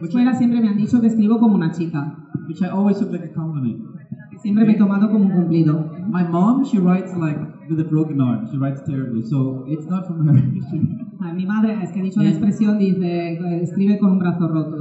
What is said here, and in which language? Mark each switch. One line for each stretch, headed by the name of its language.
Spanish: Escuela siempre me han dicho que escribo como una chica.
English: Which I always took like a compliment.
Spanish: Siempre me he tomado como un cumplido.
English: My mom, she writes like with a broken arm. She writes terribly, so it's not from her.
Spanish: Mi madre, es que ha dicho una expresión, dice, escribe con un brazo roto.